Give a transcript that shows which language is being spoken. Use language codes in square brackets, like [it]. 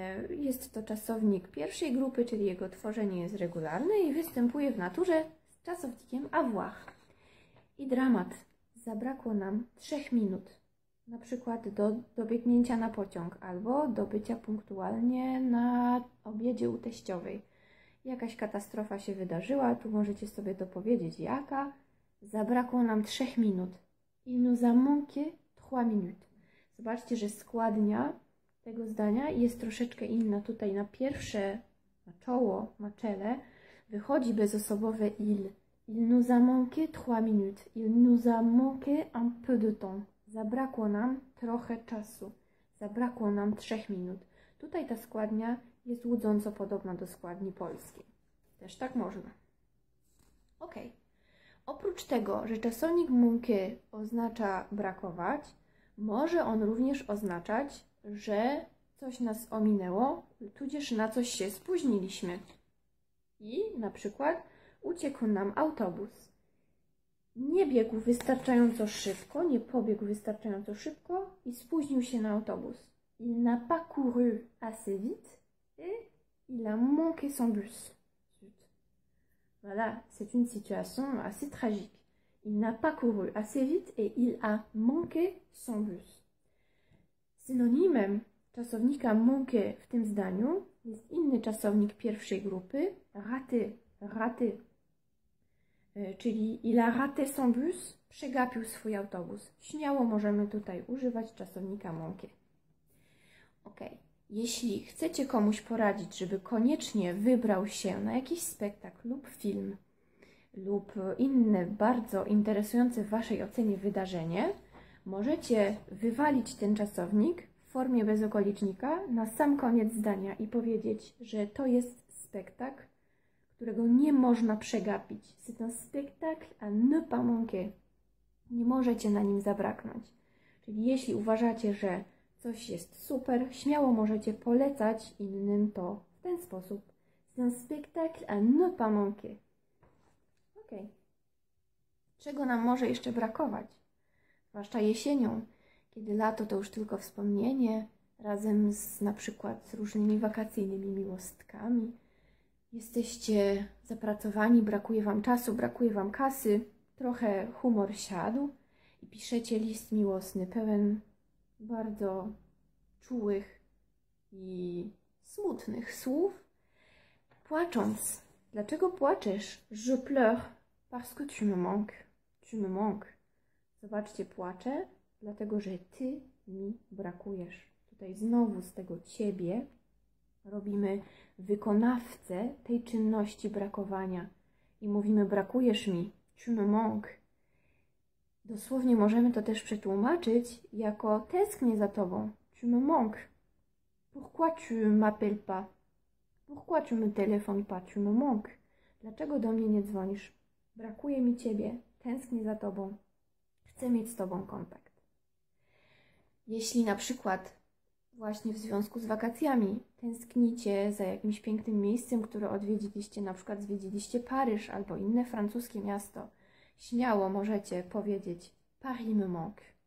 [pl] Jest to czasownik pierwszej grupy, czyli jego tworzenie jest regularne i występuje w naturze z czasownikiem avoir. I dramat. Zabrakło nam 3 minut. Na przykład do dobiegnięcia na pociąg albo do bycia punktualnie na obiedzie u teściowej. Jakaś katastrofa się wydarzyła, tu możecie sobie dopowiedzieć jaka. Zabrakło nam 3 minut. [fr] Il nous a manqué 3 minutes. [pl] Zobaczcie, że składnia tego zdania jest troszeczkę inna. Tutaj na pierwsze, na czoło, na czele, wychodzi bezosobowe il. [fr] Il nous a manqué 3 minutes. Il nous a manqué un peu de temps. [pl] Zabrakło nam trochę czasu. Zabrakło nam 3 minut. Tutaj ta składnia jest łudząco podobna do składni polskiej. Też tak można. Ok. Oprócz tego, że czasownik manquer oznacza brakować, może on również oznaczać, że coś nas ominęło, tudzież na coś się spóźniliśmy. I na przykład uciekł nam autobus. Nie biegł wystarczająco szybko, nie pobiegł wystarczająco szybko i spóźnił się na autobus. [fr] Il n'a pas couru assez vite et il a manqué son bus. Voilà, c'est une situation assez tragique. Il n'a pas couru assez vite et il a manqué son bus. [pl] Synonimem czasownika manqué w tym zdaniu jest inny czasownik pierwszej grupy, raté, raté. Czyli il a raté son bus, przegapił swój autobus. Śmiało możemy tutaj używać czasownika manqué. Ok. Jeśli chcecie komuś poradzić, żeby koniecznie wybrał się na jakiś spektakl lub film lub inne bardzo interesujące w Waszej ocenie wydarzenie, możecie wywalić ten czasownik w formie bezokolicznika na sam koniec zdania i powiedzieć, że to jest spektakl, którego nie można przegapić. C'est un spectacle à ne pas manquer. nie możecie na nim zabraknąć. Czyli jeśli uważacie, że coś jest super, śmiało możecie polecać innym to w ten sposób. C'est un spectacle à ne pas manquer. Ok. Czego nam może jeszcze brakować? Zwłaszcza jesienią, kiedy lato to już tylko wspomnienie, razem z na przykład z różnymi wakacyjnymi miłostkami. Jesteście zapracowani, brakuje wam czasu, brakuje wam kasy, trochę humor siadł i piszecie list miłosny, pełen bardzo czułych i smutnych słów, płacząc. Dlaczego płaczesz? [fr] Je pleure parce que tu me manques. Tu me manques. [pl] Zobaczcie, płaczę, dlatego że ty mi brakujesz. Tutaj znowu z tego ciebie robimy wykonawcę tej czynności brakowania i mówimy, brakujesz mi, tu me manques. Dosłownie możemy to też przetłumaczyć jako tęsknię za tobą, tu me manques. [fr] Pourquoi tu m'appelles pas? Pourquoi tu me telefonnes pas? Tu me manques. [pl] Dlaczego do mnie nie dzwonisz? Brakuje mi ciebie, tęsknię za tobą, chcę mieć z tobą kontakt. Jeśli na przykład właśnie w związku z wakacjami tęsknicie za jakimś pięknym miejscem, które odwiedziliście, na przykład zwiedziliście Paryż albo inne francuskie miasto, śmiało możecie powiedzieć Paris me manque.